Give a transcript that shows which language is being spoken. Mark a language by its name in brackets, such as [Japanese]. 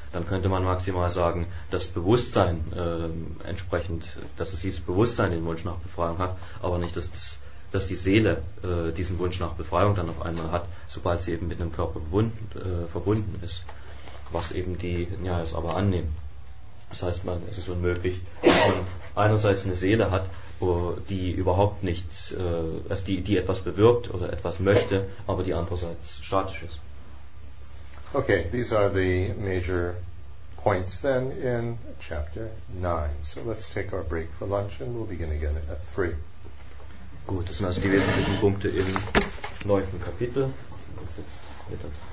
[German] Dann könnte man maximal sagen, dass Bewusstsein entsprechend, dass es dieses Bewusstsein den Wunsch nach Befreiung hat, aber nicht, dass die Seele diesen Wunsch nach Befreiung dann auf einmal hat, sobald sie eben mit einem Körper verbunden ist, was eben die Nyayas aber annehmen. Das heißt, es ist unmöglich, dass man einerseits eine Seele hat, die überhaupt nichts, die etwas bewirkt oder etwas möchte, aber die andererseits statisch ist. [English] Okay, these are the major points then in chapter 9. So let's take our break for lunch and we'll begin again at 3. [German] Gut, das sind also die wesentlichen Punkte im 9. Kapitel. Das ist jetzt